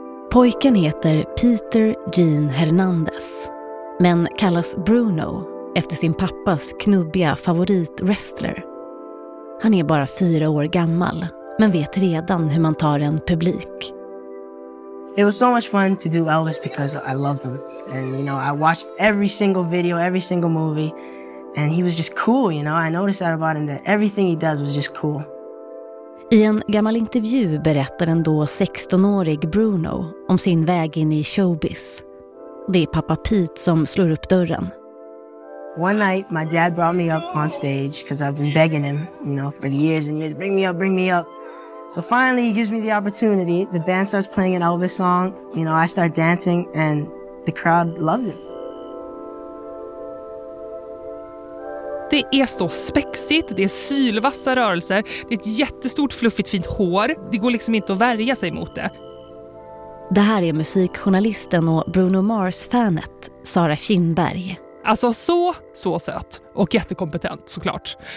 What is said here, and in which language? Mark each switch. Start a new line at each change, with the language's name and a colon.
Swedish: Pojken heter Peter Jean Hernandez, men kallas Bruno efter sin pappas knubbiga favoritwrestler. Han är bara 4 år gammal, men vet redan hur man tar en publik.
English: It was so much fun to do Elvis because I loved him. And you know, I watched every single video, every single movie, and he was just cool, you know. I noticed that about him, that everything he does was just cool.
Swedish: I en gammal intervju berättar en då 16-årig Bruno om sin väg in i showbiz. Det är pappa Pete som slår upp dörren.
English: One night my dad brought me up on stage because I've been begging him, you know, for years and years, bring me up, bring me up. So finally he gives me the opportunity. The band starts playing an Elvis song, you know, I start dancing and the crowd loved it.
Swedish: Det är så spexigt, det är sylvassa rörelser, det är ett jättestort fluffigt fint hår. Det går liksom inte att värja sig mot det. Det här är musikjournalisten och Bruno Mars-fanet Sara Kinberg. Alltså så söt och jättekompetent såklart.